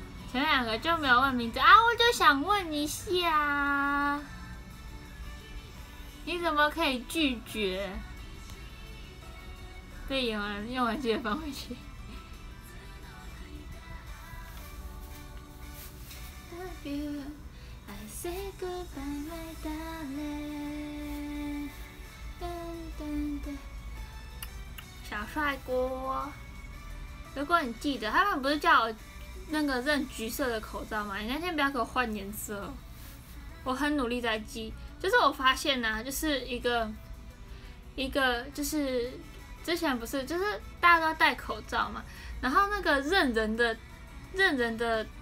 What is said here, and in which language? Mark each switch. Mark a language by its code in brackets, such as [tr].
[zh] 前两个就没有问名字啊，我就想问一下，你怎么可以拒绝？被用完，用完记得放回去。 [en] I say goodbye, my darling. [zh] 噔噔噔，小帅哥，如果你记得，他们不是叫我那个认橘色的口罩吗？你那天不要给我换颜色。我很努力在记，就是我发现呢、啊，就是一个，就是之前不是，就是大家都戴口罩嘛，然后那个认人的。